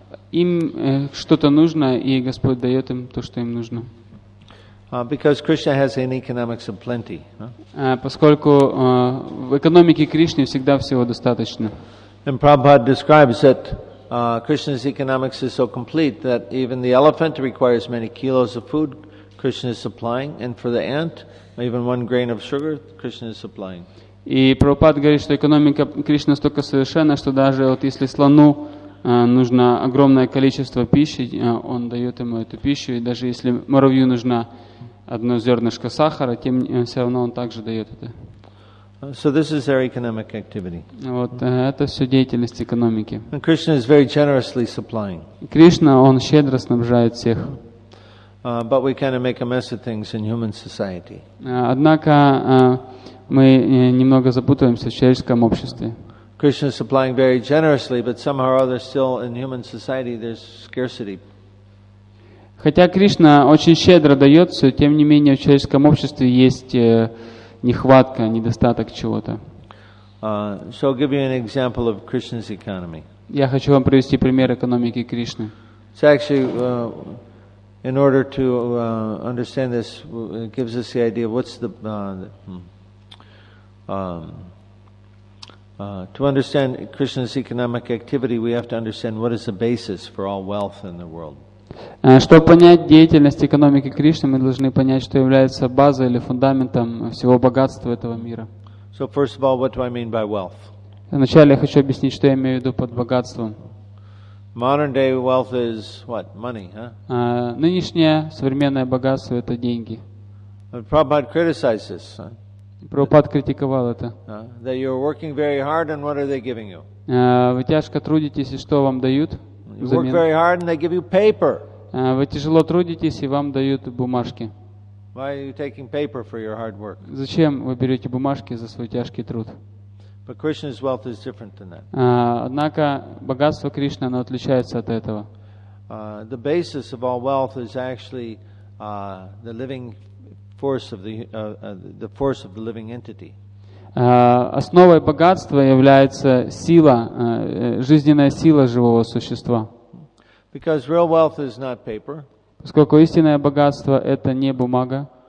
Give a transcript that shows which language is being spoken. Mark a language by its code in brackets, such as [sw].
[ru] Им что-то нужно, и Господь дает им то, что им нужно. [en] Because Krishna has an economics of plenty. [ru] Поскольку в экономике Кришны всегда всего достаточно. [en] And Prabhupada describes that Krishna's economics is so complete that even the elephant requires many kilos of food, Krishna is supplying, and for the ant, even one grain of sugar, Krishna is supplying. [ru] И Прабхупад говорит, что экономика Кришны столько совершенна, что даже вот если слону нужно огромное количество пищи, он дает ему эту пищу. И даже если муравью нужно одно зернышко сахара, тем все равно он также дает это. [en] So this is their economic activity. [ru] Вот это все деятельность экономики. [en] And Krishna is very generously supplying. [ru] Кришна, он щедро снабжает всех. [en] But we kind of make a mess of things in human society. [ru] Однако мы немного запутываемся в человеческом обществе. [en] Krishna is supplying very generously, but somehow or other still in human society there's scarcity. [ru] Хотя Кришна очень щедро дает, все, тем не менее в человеческом обществе есть нехватка, недостаток чего-то. [en] So I'll give you an example of Krishna's economy. [ru] Я хочу вам привести пример экономики Кришны. [en] It's actually, in order to understand this, it gives us the idea of what's the... to understand Krishna's economic activity, we have to understand what is the basis for all wealth in the world. [ru] Чтобы понять деятельность экономики Кришны, мы должны понять, что является базой или фундаментом всего богатства этого мира. [en] So first of all, what do I mean by wealth? [ru] Вначале я хочу объяснить, что я имею в виду под богатством. [en] Modern day wealth is what? Money, huh? [ru] Нынешнее современное богатство — это деньги. [en] But Prabhupada criticized this. [ru] Прабхупад критиковал это. [en] That you're working very hard, and what are they giving you? [ru] Вы тяжко трудитесь, и что вам дают взамен? [en] You work very hard, and they give you paper. [ru] Вы тяжело трудитесь, и вам дают бумажки. [en] Why are you taking paper for your hard work? [ru] Зачем вы берете бумажки за свой тяжкий труд? [en] But Krishna's wealth is different than that. [ru] Однако богатство Кришны, оно отличается от этого. [en] The basis of all wealth is actually the living force of the force of the living entity. [ru] Основой богатства является сила, жизненная сила живого существа. [en] Because real wealth is not paper. [ru] Поскольку истинное богатство — это не бумага.